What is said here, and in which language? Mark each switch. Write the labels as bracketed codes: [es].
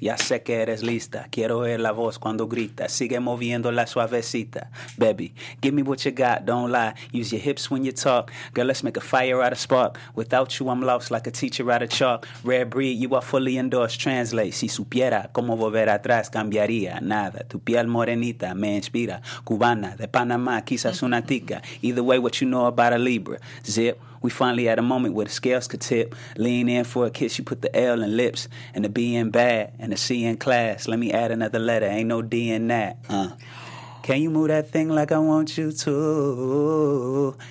[es] Ya sé que eres lista, quiero oír la voz cuando gritas. Sigue moviendo la suavecita, baby. [en] Give me what you got, don't lie. Use your hips when you talk. Girl, let's make a fire out of spark. Without you, I'm lost like a teacher out of chalk. Rare breed, you are fully endorsed. [es] Translate, si supiera cómo volver atrás, cambiaría nada. Tu piel morenita me inspira. Cubana, de Panamá, quizás una tica. [en] Either way, what you know about a Libra. Zip. We finally had a moment where the scales could tip. Lean in for a kiss, you put the L in lips. And the B in bad, and the C in class. Let me add another letter, ain't no D in that. Can you move that thing like I want you to?